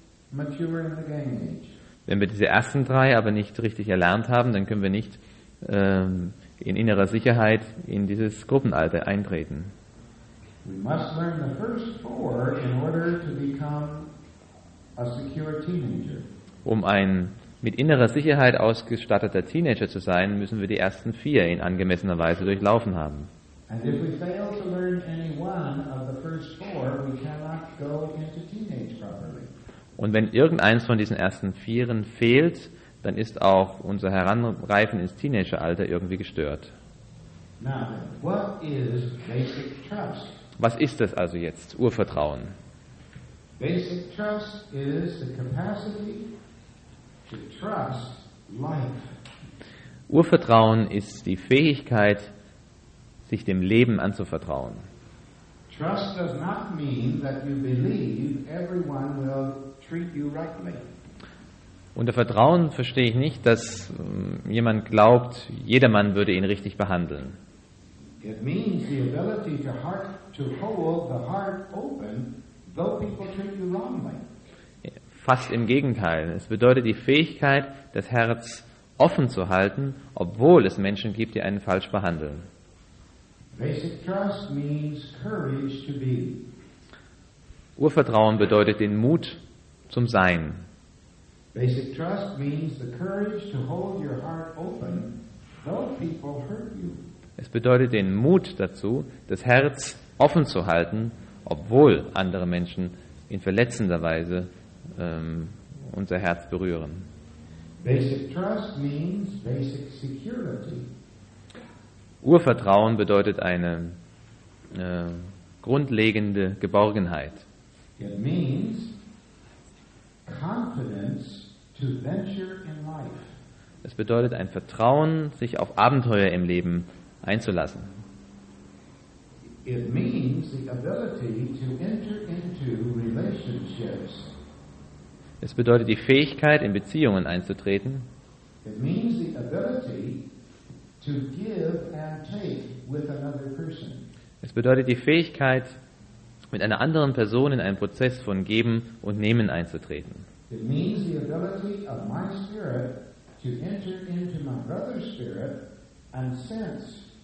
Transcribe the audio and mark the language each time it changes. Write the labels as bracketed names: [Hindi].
[German] Wenn wir diese ersten 3 aber nicht richtig erlernt haben, dann können wir nicht in innerer Sicherheit in dieses Gruppenalter eintreten. [English] We must learn the first 4 in order to become a secure teenager. [German] Um ein mit innerer Sicherheit ausgestatteter Teenager zu sein, müssen wir die ersten 4 in angemessener Weise durchlaufen haben. [English] And if we fail to learn any one of the first 4, we cannot go into teenage properly. [German] Und wenn irgendeines von diesen ersten 4 fehlt, dann ist auch unser Heranreifen ins Teenageralter irgendwie gestört. [English] Now, what is basic trust? [German] Was ist das also jetzt, Urvertrauen? [English] Basic trust is the capacity to trust life. [German] Urvertrauen ist die Fähigkeit, sich dem Leben anzuvertrauen. [English] Trust does not mean that you believe everyone will treat you rightly. [German] Unter Vertrauen verstehe ich nicht, dass jemand glaubt, jedermann würde ihn richtig behandeln. [English] It means the ability to heart to hold the heart open though people treat you wrongly. [German] Fast im Gegenteil. Es bedeutet die Fähigkeit, das Herz offen zu halten, obwohl es Menschen gibt, die einen falsch behandeln. [English] Basic trust means courage to be. [German] Urvertrauen bedeutet den Mut zum Sein. [English] Basic trust means the courage to hold your heart open though people hurt you. [German] Es bedeutet den Mut dazu, das Herz offen zu halten, obwohl andere Menschen in verletzender Weise unser Herz berühren. [English] Basic trust means basic security. [German] Urvertrauen bedeutet eine grundlegende Geborgenheit. [English] It means confidence to venture in life. [German] Es bedeutet ein Vertrauen, sich auf Abenteuer im Leben einzulassen. [English] It means the ability to enter into relationships. [German] Es bedeutet die Fähigkeit, in Beziehungen einzutreten. [English] It means the ability to give and take with another person. [German] Es bedeutet die Fähigkeit, mit einer anderen Person in einen Prozess von Geben und Nehmen einzutreten. [English] It means the ability of my spirit to enter into my brother's spirit and sense.